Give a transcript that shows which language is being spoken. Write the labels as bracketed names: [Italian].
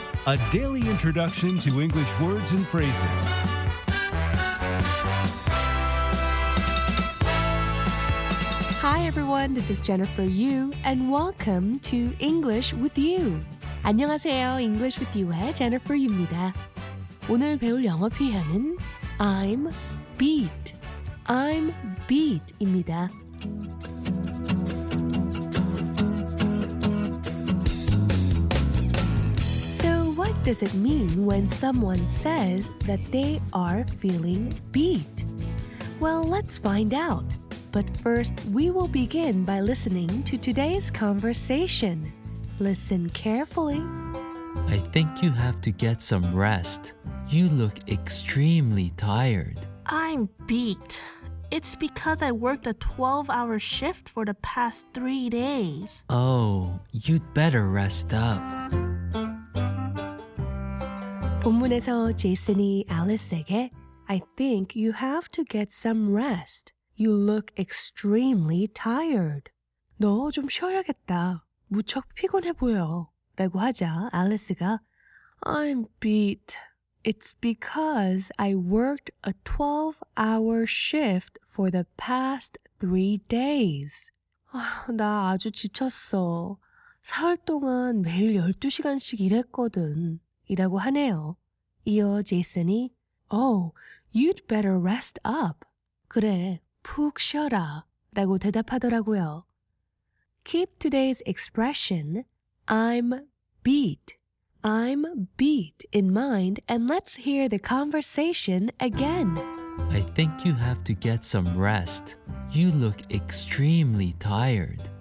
[English] A daily introduction to English words and phrases. Hi everyone. This is Jennifer Yu and welcome to English with you. [Korean] 안녕하세요. English with you의 Jennifer Yu입니다. 오늘 배울 영어 표현은 I'm beat. I'm beat입니다. [English] What does it mean when someone says that they are feeling beat? Well, let's find out. But first, we will begin by listening to today's conversation. Listen carefully. I think you have to get some rest. You look extremely tired. I'm beat. It's because I worked a 12-hour shift for the past 3 days. Oh, you'd better rest up. [Korean] 본문에서 제이슨이 알리스에게 [English] I think you have to get some rest. You look extremely tired. [Korean] 너 좀 쉬어야겠다. 무척 피곤해 보여. 라고 하자 알리스가 I'm beat. [English] It's because I worked a 12-hour shift for the past 3 days. [Korean] 나 아주 지쳤어. 사흘 동안 매일 12시간씩 일했거든. 이라고 하네요. 이어 제이슨이 [English] Oh, you'd better rest up. [Korean] 그래, 푹 쉬어라 라고 대답하더라고요. [English] Keep today's expression I'm beat. I'm beat in mind and let's hear the conversation again. I think you have to get some rest. You look extremely tired.